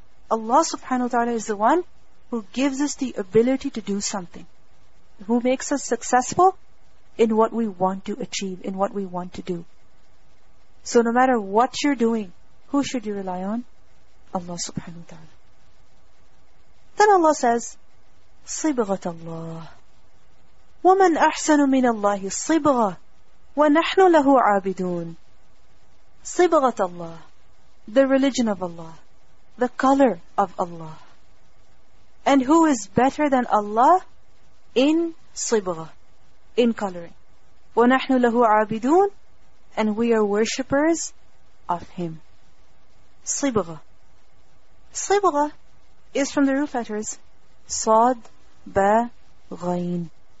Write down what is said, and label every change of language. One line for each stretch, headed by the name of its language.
English: Allah subhanahu wa ta'ala is the one who gives us the ability to do something, who makes us successful in what we want to achieve, in what we want to do. So no matter what you're doing, who should you rely on? Allah subhanahu wa ta'ala. Then Allah says,
Arabic: صِبْغَةَ اللَّهِ وَمَنْ أَحْسَنُ مِنَ اللَّهِ الصِّبْغَةَ وَنَحْنُ لَهُ عَابِدُونَ صِبْغَةَ اللَّهِ,
English: the religion of Allah,
Arabic: the color of Allah.
English: And who is better than Allah in صِبْغَة, in coloring.
Arabic: وَنَحْنُ لَهُ عَابِدُونَ,
English: and we are worshippers of Him.
Arabic: صِبْغَة.
English: صِبْغَة is from the root letters صَاد بَا غَيْن.